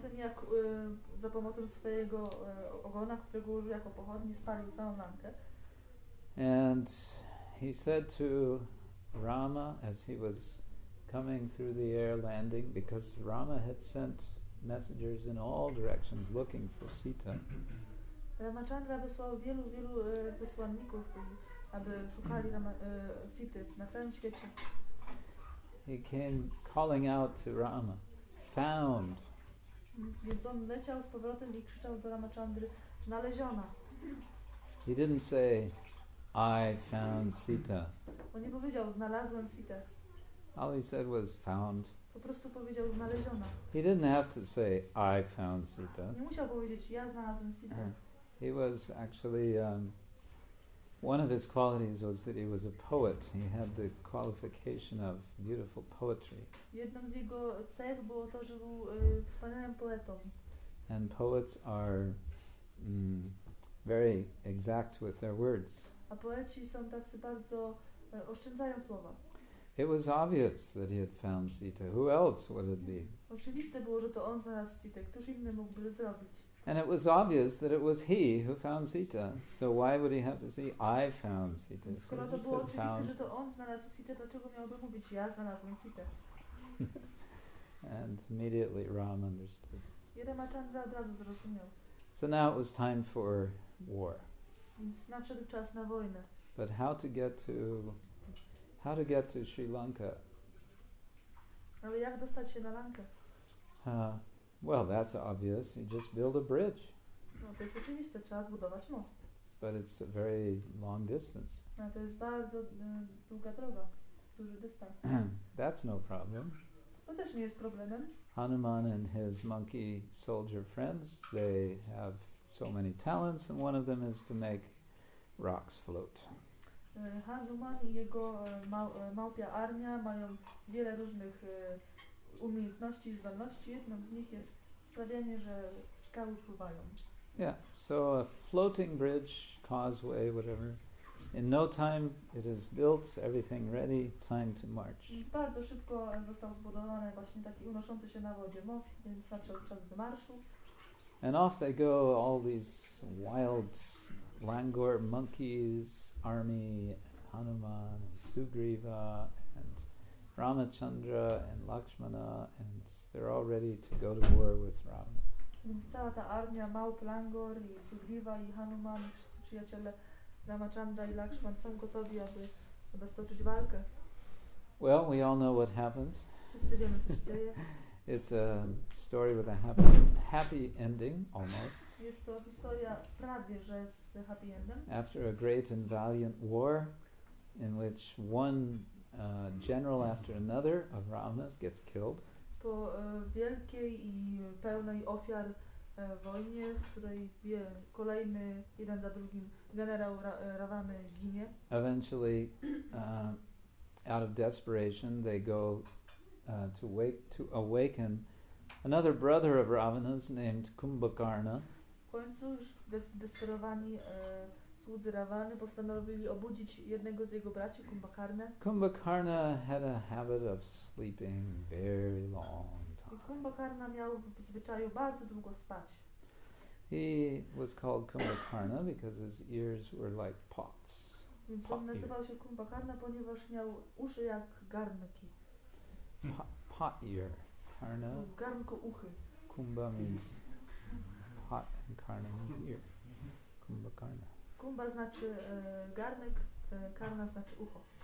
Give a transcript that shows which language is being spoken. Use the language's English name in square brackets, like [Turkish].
[Polish] Potem jak za pomocą swojego ogona, którego użył jako pochodni, spalił całą Lankę. [English] And he said to Rama as he was coming through the air landing, because Rama had sent messengers in all directions looking for Sita. [Polish] Ramachandra wysłał wielu wysłanników, aby szukali Sity na całym świecie. [English] He came calling out to Rama, found. [Polish] Więc on leciał z powrotem i krzyczał do Ramachandry, znaleziona. [English] He didn't say, I found Sita. [Polish] On nie powiedział, znalazłem Sitę. [English] All he said was found. [Polish] Po prostu powiedział, znaleziona. [English] He didn't have to say, I found Sita. [Polish] Nie musiał powiedzieć, ja znalazłem Sitę. [English] He was actually, one of his qualities was that he was a poet. He had the qualification of beautiful poetry. [Polish] Jedną z jego cech było to, że był wspaniałym poetą. [English] And poets are very exact with their words. [Polish] A poeci są tacy bardzo, oszczędzają słowa. [English] It was obvious that he had found Sita. Who else would it be? [Polish] Oczywiste było, że to on znalazł Sitę. Któż inny mógłby zrobić? [English] And it was obvious that it was he who found Sita. So why would he have to say, I found Sita? [Polish] Skoro to było oczywiste, że to on znalazł Sitę, dlaczego miałby mówić, ja znalazłem Sitę? [English] And immediately Ram understood. [Polish] I Ramachandra od razu zrozumiał. [English] So now it was time for war. [Polish] Więc nadszedł czas na wojnę. [English] But how to get to Sri Lanka? [Polish] Ale jak dostać się na Lankę? [English] Well, that's obvious. You just build a bridge. [Polish] No, to jest oczywiste. Trzeba zbudować most. [English] But it's a very long distance. [Polish] No, to jest bardzo długa droga. Duży dystans. [English] That's no problem. [Polish] To też nie jest problemem. [English] Hanuman and his monkey soldier friends, they have so many talents, and one of them is to make rocks float. [Polish] Hanuman i jego małpia armia mają wiele różnych umiejętności i zdolności. Jedną z nich jest sprawianie, że skały pływają. [English] Yeah, so a floating bridge, causeway, whatever. In no time it is built, everything ready, time to march. [Polish] Bardzo szybko został zbudowany właśnie taki unoszący się na wodzie most, więc nadszedł czas wymarszu. [English] And off they go, all these wild langur monkeys, army, Hanuman, Sugriva, and Ramachandra, and Lakshmana, and they're all ready to go to war with Ravana. [Polish] Więc cała ta armia małp, langur, i Sugriva, i Hanuman, wszyscy przyjaciele Ramachandra i Lakshman są gotowi, aby roztoczyć walkę. [English] Well, we all know what happens. [Polish] Wszyscy wiemy, co się dzieje. [English] It's a story with a happy ending, almost. [Polish] Jest to historia prawie, że z happy endem. [English] After a great and valiant war, in which one general after another of Ravana's gets killed. [Polish] Po wielkiej i pełnej ofiar wojnie, w której kolejny, jeden za drugim, generał Ravana ginie. [English] Eventually, out of desperation, they go to awaken another brother of Ravana's named Kumbhakarna. [Polish] W końcu już zdesperowani słudzy Ravany postanowili obudzić jednego z jego braci, Kumbhakarna. [English] Kumbhakarna had a habit of sleeping very long time. [Polish] I Kumbhakarna miał w zwyczaju bardzo długo spać. [English] He was called Kumbhakarna because his ears were like pots. [Polish] Więc on nazywał się Kumbhakarna, ponieważ miał uszy jak garnki. [English] Pot ear, karna. [Polish] Garnko uchy. [English] Kumbha means pot and karna means ear. [Polish] Kumbha karna. Kumbha znaczy garnek, karna znaczy ucho.